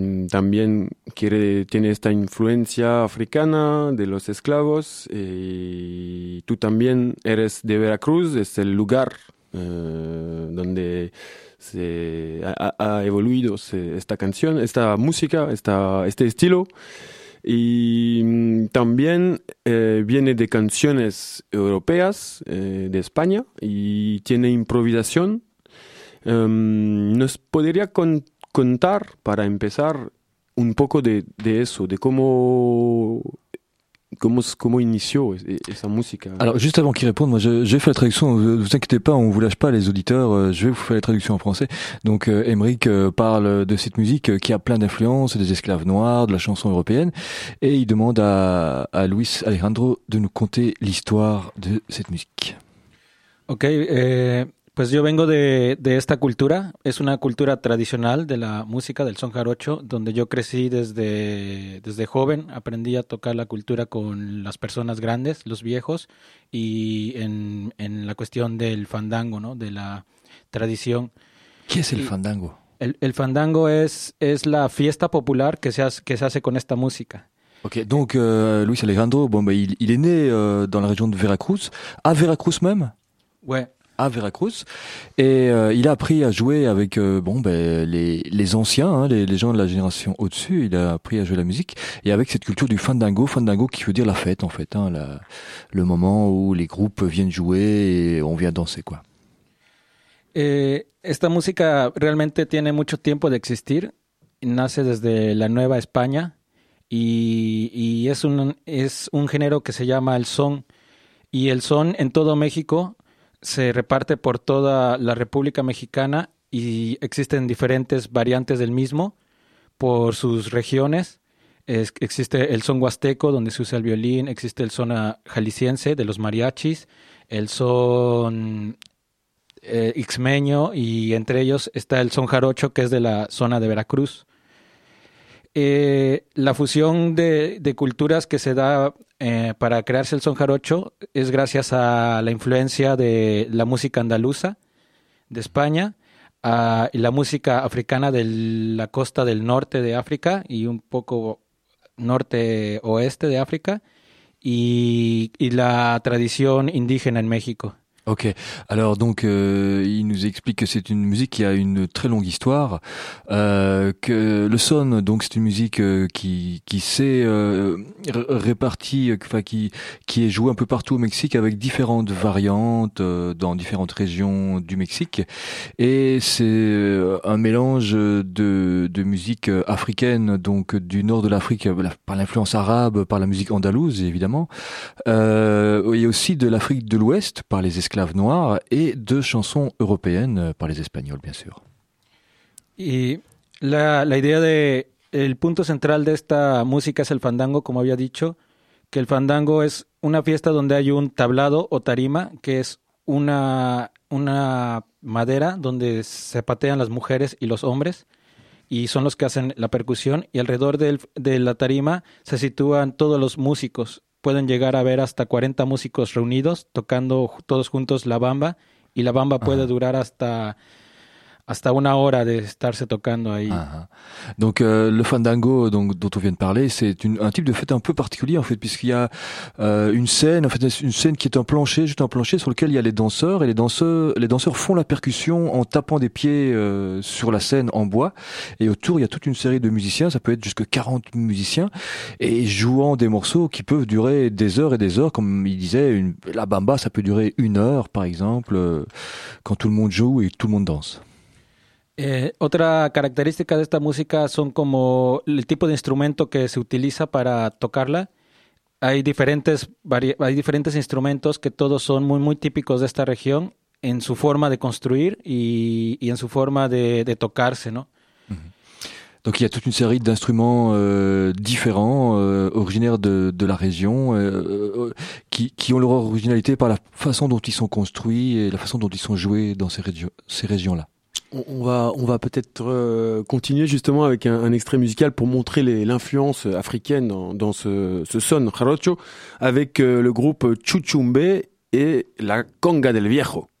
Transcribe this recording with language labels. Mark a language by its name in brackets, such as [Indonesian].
[Spanish] También tiene esta influencia africana de los esclavos, y tú también eres de Veracruz, es el lugar donde se ha evolucionado esta canción, esta música, este estilo, y también viene de canciones europeas de España y tiene improvisación. ¿Nos podría contar para empezar un poco de eso, de cómo inició esa música? [French] Alors, juste avant qu'il réponde, moi, je vais faire la traduction. Vous inquiétez pas, on vous lâche pas, les auditeurs. Je vais vous faire la traduction en français. Donc, Emeric parle de cette musique qui a plein d'influences, des esclaves noirs, de la chanson européenne. Et il demande à Luis Alejandro de nous conter l'histoire de cette musique. [Spanish] Ok, pues yo vengo de esta cultura. Es una cultura tradicional de la música, del son jarocho, donde yo crecí desde joven. Aprendí a tocar la cultura con las personas grandes, los viejos, y en la cuestión del fandango, ¿no? De la tradición. ¿Qué es el fandango? El fandango es la fiesta popular que se hace con esta música. [French] Ok, donc Luis Alejandro, bon, bah, il est né dans la région de Veracruz, à Veracruz même? Ouais. À Veracruz, et il a appris à jouer avec les anciens, hein, les gens de la génération au-dessus. Il a appris à jouer la musique et avec cette culture du fandango qui veut dire la fête en fait, hein, le moment où les groupes viennent jouer et on vient danser quoi. [Spanish] Esta música realmente tiene mucho tiempo de existir. Nace desde la Nueva España y es un género que se llama el son, y el son en todo México se reparte por toda la República Mexicana y existen diferentes variantes del mismo por sus regiones. Existe el son huasteco, donde se usa el violín. Existe el son jalisciense, de los mariachis. El son ixmeño, y entre ellos está el son jarocho, que es de la zona de Veracruz. La fusión de culturas que se da para crearse el son jarocho es gracias a la influencia de la música andaluza de España, a la música africana de la costa del norte de África y un poco norte oeste de África, y la tradición indígena en México. [French] Ok, alors donc il nous explique que c'est une musique qui a une très longue histoire, que le son, donc c'est une musique qui s'est répartie, enfin qui est jouée un peu partout au Mexique avec différentes variantes dans différentes régions du Mexique, et c'est un mélange de musique africaine, donc du nord de l'Afrique, par l'influence arabe, par la musique andalouse évidemment, et aussi de l'Afrique de l'Ouest, par les esclaves noir, et de chansons européennes par les Espagnols, bien sûr. [Spanish] Et la idea de el punto central de esta música es el fandango, como había dicho, que el fandango es una fiesta donde hay un tablado o tarima, que es una madera donde se patean las mujeres y los hombres, y son los que hacen la percusión, y alrededor de la tarima se sitúan todos los músicos. Pueden llegar a ver hasta 40 músicos reunidos tocando todos juntos la bamba, y la bamba puede durar hasta hasta una hora de estarse tocando ahí. [French] Donc le fandango donc dont on vient de parler, c'est un type de fête un peu particulier en fait, puisqu'il y a une scène qui est un plancher, juste un plancher sur lequel il y a les danseurs, et les danseurs font la percussion en tapant des pieds sur la scène en bois, et autour il y a toute une série de musiciens, ça peut être jusque 40 musiciens, et jouant des morceaux qui peuvent durer des heures et des heures, comme il disait, la bamba ça peut durer une heure par exemple quand tout le monde joue et tout le monde danse. [Spanish] Otra característica de esta música son como el tipo de instrumento que se utiliza para tocarla. Hay diferentes instrumentos que todos son muy, muy típicos de esta región en su forma de construir y en su forma de tocarse, ¿no? [French] Donc il y a toute une série d'instruments différents, originaires de la région, qui ont leur originalité par la façon dont ils sont construits et la façon dont ils sont joués dans ces régions-là. On va peut-être continuer justement avec un extrait musical pour montrer l'influence africaine dans ce son jarocho avec le groupe Chuchumbe et la conga del viejo.